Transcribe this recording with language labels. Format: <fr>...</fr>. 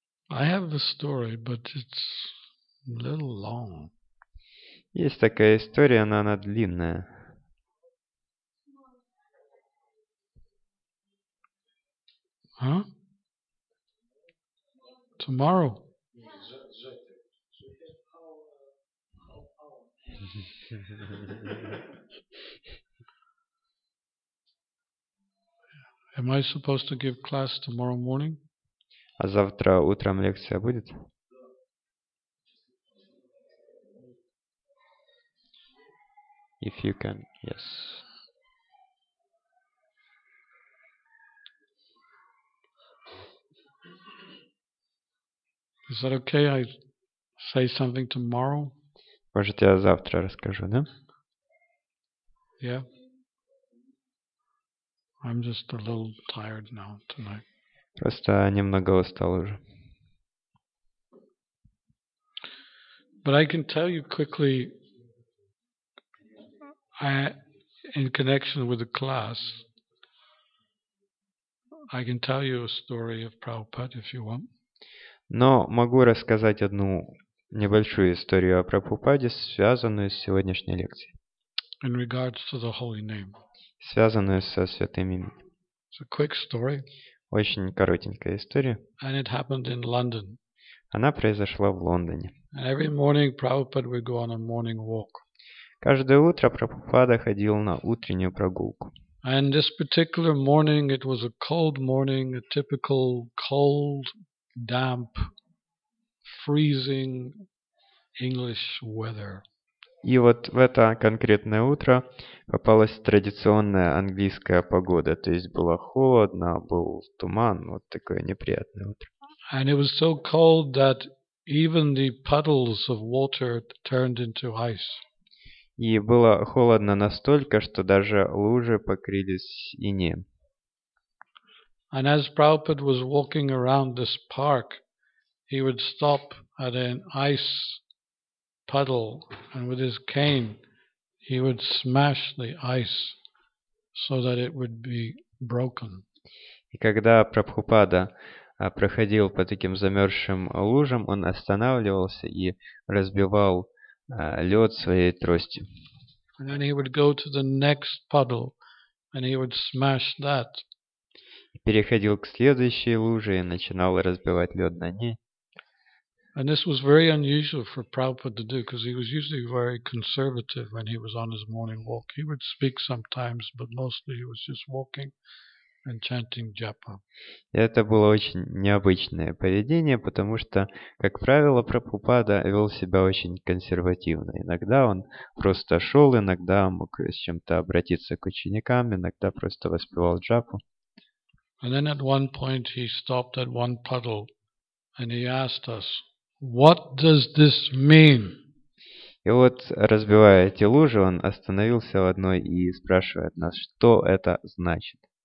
<en>I have the story, but it's a little long.</en> <ru>Есть такая история, но она длинная. Huh?</ru> <en>Tomorrow. Am I supposed to give class tomorrow morning?</en> <ru>А завтра утром лекция будет?</ru> <en>If you can, yes. Is that okay? I say something tomorrow?</en> <ru>Может, я завтра расскажу, да?</ru> <en>Yeah. I'm just a little tired now tonight.</en> <ru>Просто немного устал уже.</ru> <en>But I can tell you quickly, in connection with the class, I can tell you a story of Prabhupada if you want.</en> <ru>Но могу рассказать одну небольшую историю о Прабхупаде, связанную с сегодняшней лекцией.</ru> <en>In regards to the holy name.</en> <ru>Связанную со святым именем.</ru> <en>It's a quick story.</en> <ru>Очень коротенькая история.</ru> <en>And it happened in London.</en> <ru>Она произошла в Лондоне.</ru> <en>And every morning Prabhupada would go on a morning walk.</en> <ru>Каждое утро Прабхупада ходил на утреннюю прогулку.</ru> <en>And this particular morning it was a cold morning, a typical cold, damp, freezing English weather.</en> <ru>И вот в это конкретное утро попалась традиционная английская погода. То есть было холодно, был туман, вот такое неприятное утро.</ru> <en>And it was so cold that even the puddles of water turned into ice.</en> <ru>И было холодно настолько, что даже лужи покрылись инеем.</ru> <en>And as Prabhupada was walking around this park, he would stop at an ice puddle, and with his cane, he would smash the ice so that it would be broken.</en> <ru>И когда Прабхупада проходил по таким замерзшим лужам, он останавливался и разбивал лед своей тростью.</ru> <en>And then he would go to the next puddle, and he would smash that.</en> <ru>И переходил к следующей луже и начинал разбивать лед на ней.</ru> <en>And this was very unusual for Prabhupada to do, because he was usually very conservative when he was on his morning walk. He would speak sometimes, but mostly he was just walking and chanting japa.</en> <ru>Это было очень необычное поведение, потому что, как правило, Прабхупада вел себя очень консервативно. Иногда он просто шел, иногда мог с чем-то обратиться к ученикам, иногда просто воспевал джапу.</ru> <en>And then at one point he stopped at one puddle, and he asked us, what does this mean?</en> <ru>И вот, разбивая эти лужи, он остановился в одной и спрашивает нас, что это значит.</ru>